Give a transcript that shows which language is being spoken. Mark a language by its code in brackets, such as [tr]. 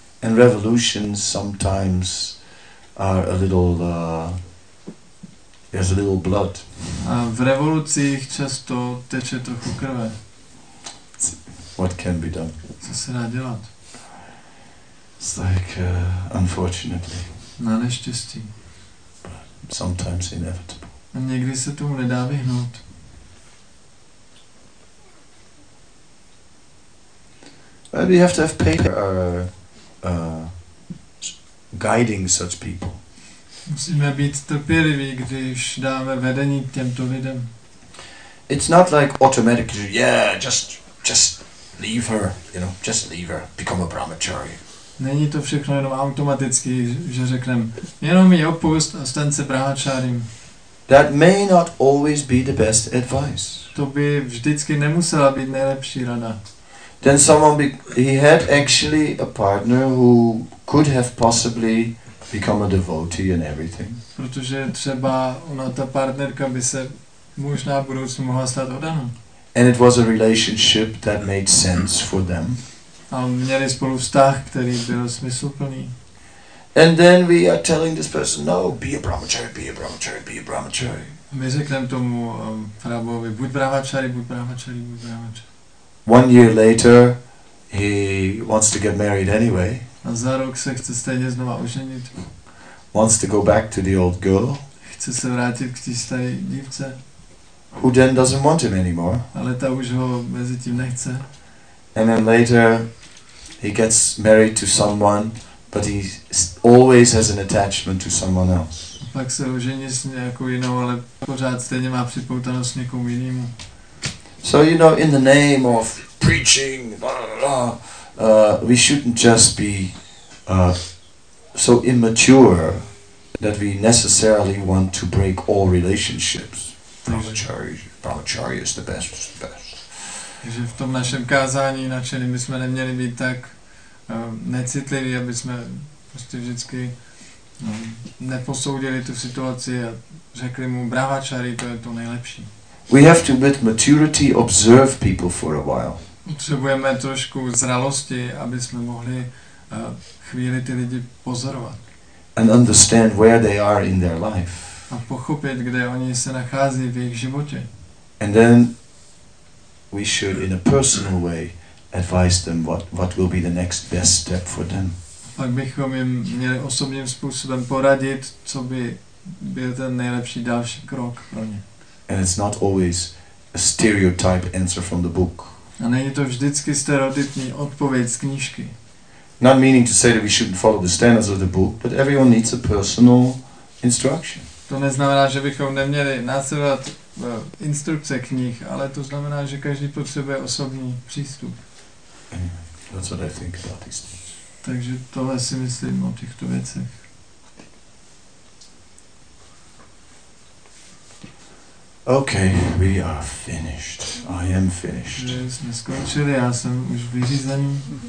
[en] And revolutions sometimes are a little, there's a little blood. [cs] A v revolucích často teče trochu krve. [en] What can be done? [cs] Co se dá dělat? [en] It's like, unfortunately. [cs] Na neštěstí. [en] But sometimes inevitable. [cs] A někdy se tomu nedá vyhnout. [en] Well, we have to have paper guiding such people. [cs] Musíme být trpěliví, když dáme vedení těmto lidem. [en] It's not like automatically, yeah, just leave her, you know, just leave her, become a brahmachari. [cs] Není to všechno jenom automaticky, že řeknem, jenom ji opust a stan se brahmacharim. [en] That may not always be the best advice. [cs] To by vždycky nemusela být nejlepší rada. [en] Then someone he had actually a partner who could have possibly become a devotee and everything. [cs] Protože třeba ona ta partnerka by se možná v budoucnu mohla stát oddanou. [en] And it was a relationship that made sense for them. [cs] A měli spolu vztah, který byl smysluplný. [en] And then we are telling this person, no, be a brahmachari, be a brahmachari, be a brahmachari. [cs] My řekneme tomu Prabhovi, buď brahmachari, buď brahmachari, buď brahmachari. [en] One year later, he wants to get married anyway. [cs] A za rok se chce stejně znova oženit. [en] Wants to go back to the old girl. [cs] Chce se vrátit k té staré dívce. [en] Who then doesn't want him anymore. [cs] Ale ta už ho mezi tím nechce. [en] And then later, he gets married to someone, but he always has an attachment to someone else. [cs] A pak se ožení s nějakou jinou, ale pořád stejně má připoutanost někomu jinému. [en] So you know, in the name of preaching, blah, blah, blah, we shouldn't just be so immature that we necessarily want to break all relationships. Brahmachari is the best, is the best. [cs] Takže v tom našem kázání načeli bychom neměli být tak necitliví, aby jsme prostě vždycky neposoudili tu situaci a řekli mu brahmachari, to je to nejlepší. [en] We have to, with maturity, observe people for a while. [cs] Potřebujeme trošku zralosti, aby jsme mohli chvíli ty lidi pozorovat. [en] And understand where they are in their life. [cs] A pochopit, kde oni se nachází v jejich životě. [en] And then we should, in a personal way, advise them what will be the next best step for them. [cs] Pak bychom jim měli osobním způsobem poradit, co by byl ten nejlepší další krok pro ně. [en] And it's not always a stereotype answer from the book. [cs] A není to vždycky stereotypní odpověď z knížky. [en] Not meaning to say that we shouldn't follow the standards of the book, but everyone needs a personal instruction. [cs] To neznamená, že bychom neměli následovat instrukce knih, ale to znamená, že každý potřebuje osobní přístup. [en] Anyway, that's what I think about these things. [cs] Takže tohle si myslím o těchto věcech. [en] Okay, we are finished. I am finished. [cs] Jsme skončili, já jsem už vyřízený.